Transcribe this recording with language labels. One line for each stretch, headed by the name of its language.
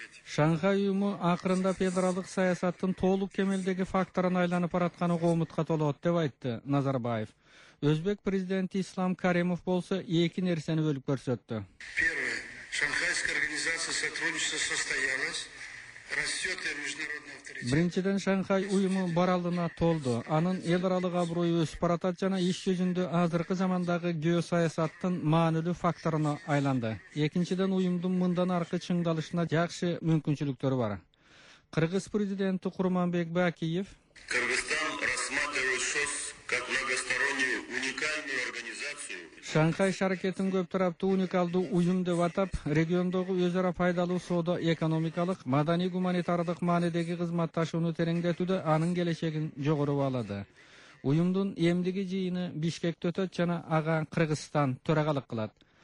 Kyrgyz: Шанхай уюму акырында федералдык саясаттын толук кемелдеги факторуна айланып баратканы коомутка толот деп айтты Назарбаев. Өзбек президенти Ислам Каримов болсо эки нерсени бөлүп көрсөттү.
Russian: Первое. Шанхайская организация сотрудничества состоялась. Растет ее международный авторитет.
Kyrgyz: Биринчиден Шанхай уюму бар алдына толду. Анын эл аралык аброю өсүп баратат жана иш жүзүндө азыркы замандагы геосаясаттын маанилүү факторуна айланды. Экинчиден уюмдун мындан аркы чыңдалышына жакшы мүмкүнчүлүктөр бар. Кыргыз президенти Курманбек Бакиев.
Russian: Кыргызстан рассматривает ШОС как многостороннюю уникальную организацию.
Kyrgyz: Шанхай шаркетин көп тараптуу уникалдуу уюм деп атап, региондогу өз ара пайдалуу соода, экономикалык, маданий гуманитардык маанидеги кызматташууну тереңдетүүдө анын келечегин жогору баалады. Уюмдун эмдиги жыйыны Бишкекте өтөт жана ага Кыргызстан төрагалык кылат.